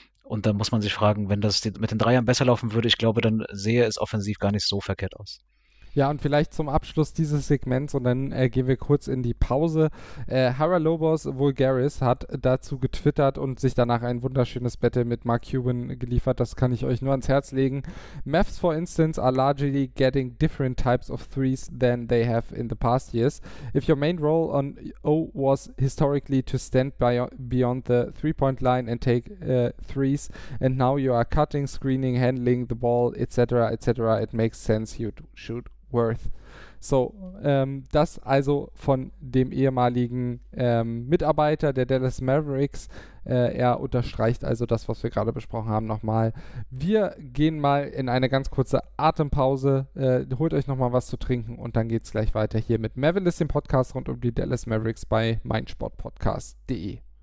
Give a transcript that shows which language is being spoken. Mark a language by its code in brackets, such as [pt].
[de] Und da muss man sich fragen, wenn das mit den Dreiern besser laufen würde, ich glaube, dann sehe es offensiv gar nicht so verkehrt aus. Ja, und vielleicht zum Abschluss dieses Segments und dann gehen wir kurz in die Pause. Haralobos Vulgaris hat dazu getwittert und sich danach ein wunderschönes Battle mit Mark Cuban geliefert. Das kann ich euch nur ans Herz legen. [en] Mavs, for instance, are largely getting different types of threes than they have in the past years. If your main role on O was historically to stand beyond the three-point line and take threes, and now you are cutting, screening, handling the ball, etc., etc., it makes sense you shoot. Worth. [de] So, das also von dem ehemaligen Mitarbeiter der Dallas Mavericks. Er unterstreicht also das, was wir gerade besprochen haben, nochmal. Wir gehen mal in eine ganz kurze Atempause, holt euch nochmal was zu trinken und dann geht's gleich weiter hier mit Mavilis, dem Podcast rund um die Dallas Mavericks bei meinsportpodcast.de.